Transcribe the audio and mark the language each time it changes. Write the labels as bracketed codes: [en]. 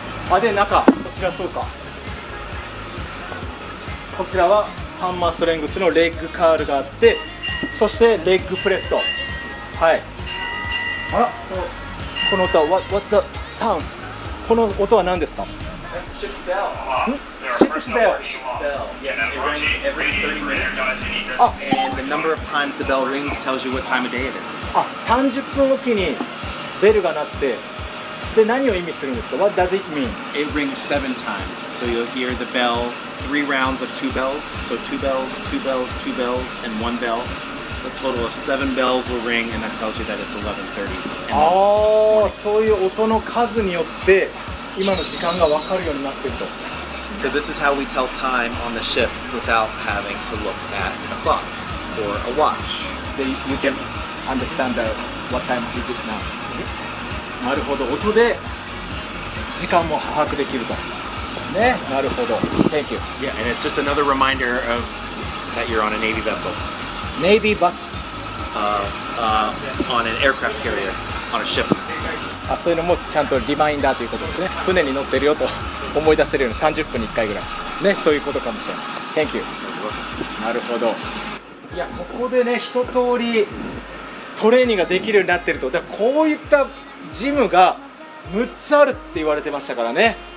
[ja] あ、で中こちら、そうか、こちらはハンマーストレングスのレッグカールがあって、そしてレッグプレスト、はい。あら、この音は [en] What's the sounds? [ja] この音は何ですか。 [en] That's the ship's bell. Ship's bell. Yes, it rings every 30 minutes. And the number of times the bell rings tells you what time of day it is. [ja] あ、30分おきにベルが鳴って、で何を意味するんですか。 [en] What does it mean? It rings seven times. So you'll hear the bell, three rounds of two bells. So two bells, two bells, two bells, and one bell. A total of seven bells will ring, and that tells you that it's 11:30. [ja] そういう音の数によって今の時間が分かるようになっていると。 [en] So this is how we tell time on the ship without having to look at a clock or a watch. You can understand that what time is it now? [ja] なるほど、音で時間も把握できると。ね、なるほど。 [en] Thank you. Yeah, and it's just another reminder of that you're on a Navy vessel. Navy bus? On an aircraft carrier, on a ship. [ja] あ、そういうのもちゃんとリマインダーということですね。船に乗ってるよと思い出せるように30分に1回ぐらい。ね、そういうことかもしれない。 [en] Thank you. [ja] なるほど。いや、ここでね、一通りトレーニングができるようになってると。だこういったジムが6つあるって言われてましたからね。